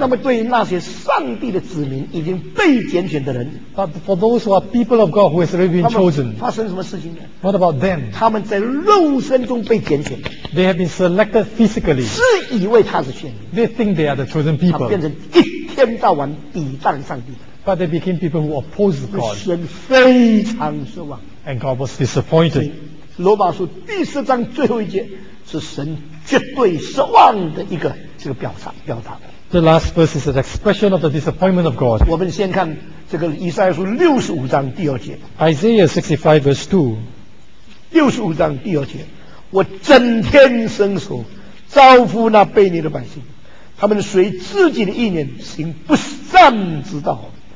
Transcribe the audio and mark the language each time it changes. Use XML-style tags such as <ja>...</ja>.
<zh>那么对于那些上帝的子民已经被拣选的人。</zh> <en>But for those who are people of God who has already been chosen.</en> <zh>发生什么事情呢？</zh> <en>What about them?</en> <zh>他们在肉身中被拣选。</zh> <en>They have been selected physically.</en> <zh>自以为他是选民。</zh> <en>They think they are the chosen people.</en> <zh>他变成一天到晚抵挡上帝。</zh> <en>But they became people who opposed God.</en> <zh>神非常失望。</zh> <en>And God was disappointed.</en> <zh>罗马书第四章最后一节是神绝对失望的一个这个表达。</zh> <en>The last verse is an expression of the disappointment of God.</en> <zh>我们先看这个以赛亚书六十五章第二节。</zh> <en>Isaiah 65 verse 2.</en> <zh>六十五章第二节。我整天伸手招呼那悖逆的百姓，他们随自己的意念行不善之道，</zh>